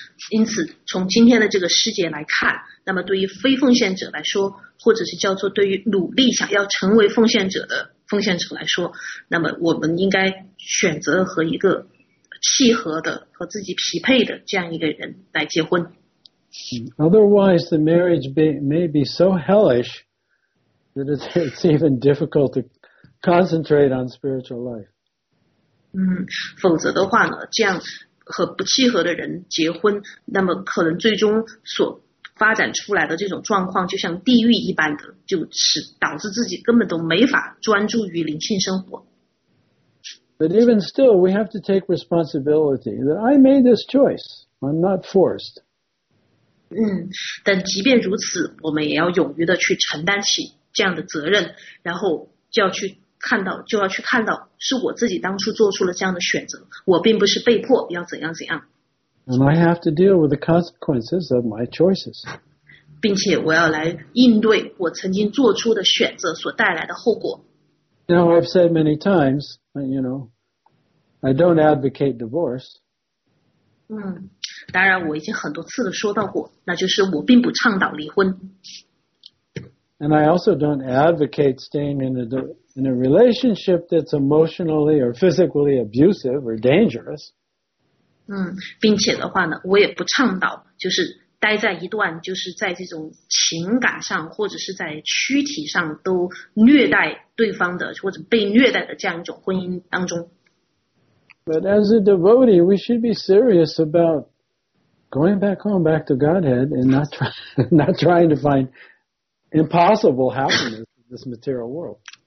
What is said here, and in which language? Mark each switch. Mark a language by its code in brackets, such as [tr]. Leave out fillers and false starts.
[zh] 因此从今天的这个世界来看，那么对于非奉献者来说，或者是叫做对于努力想要成为奉献者的奉献者来说，那么我们应该选择和一个契合的和自己匹配的这样一个人来结婚。 [en] Otherwise, the marriage may be so hellish that it's even difficult to concentrate on spiritual life. [zh] 否则的话呢，这样和不契合的人结婚，那么可能最终所发展出来的这种状况就像地狱一般的，就是导致自己根本都没法专注于灵性生活。 [en] But even still, we have to take responsibility that I made this choice. I'm not forced. [zh] 但即便如此，我们也要勇于的去承担起这样的责任，然后就要去看到是我自己当初做出了这样的选择，我并不是被迫要怎样怎样。 [en] And I have to deal with the consequences of my choices. [zh] 并且我要来应对我曾经做出的选择所带来的后果。 [en] Now I've said many times, you know, I don't advocate divorce. [zh] 当然我已经很多次的说到过，那就是我并不倡导离婚。 [en] And I also don't advocate staying in a relationship that's emotionally or physically abusive or dangerous. [zh] 并且的话呢，我也不倡导就是待在一段就是在这种情感上或者是在躯体上都虐待对方的或者被虐待的这样一种婚姻当中。 [en] But as a devotee, we should be serious about going back home, back to Godhead, and not trying to find impossible happiness in this material world.